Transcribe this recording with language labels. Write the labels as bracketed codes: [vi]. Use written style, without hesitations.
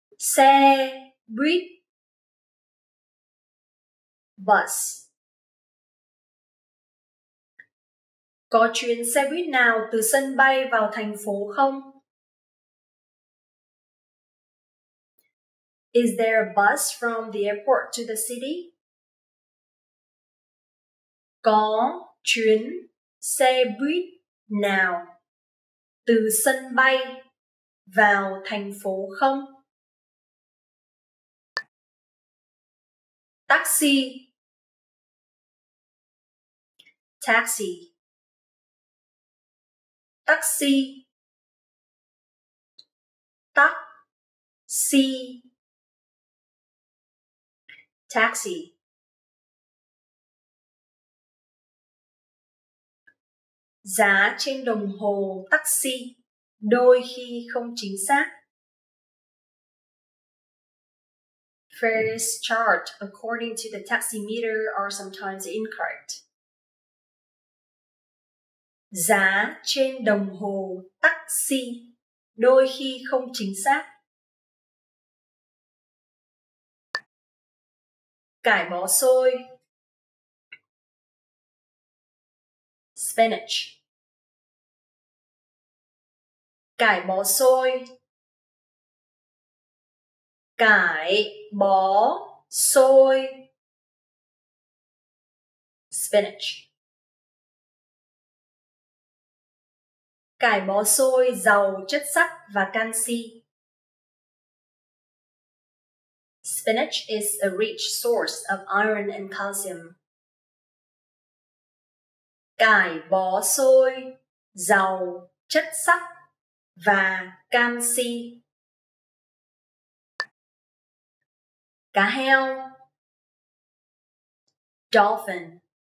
[vi] Xe buýt. [en] Bus. [vi] Có chuyến xe buýt nào từ sân bay vào thành phố không? [en] Is there a bus from the airport to the city? [vi] Có chuyến xe buýt nào từ sân bay vào thành phố không? Taxi. Taxi. Taxi. Taxi. Taxi. Giá trên đồng hồ taxi đôi khi không chính xác. [en] Fares charged according to the taxi meter are sometimes incorrect. [vi] Giá trên đồng hồ taxi đôi khi không chính xác. Cải bó xôi. [en] Spinach. [vi] Cải bó xôi. Cải bó xôi. [en] Spinach. [vi] Cải bó xôi giàu chất sắt và canxi. [en] Spinach is a rich source of iron and calcium. [vi] Cải bó xôi giàu chất sắt và canxi. Cá heo. [en] Dolphin.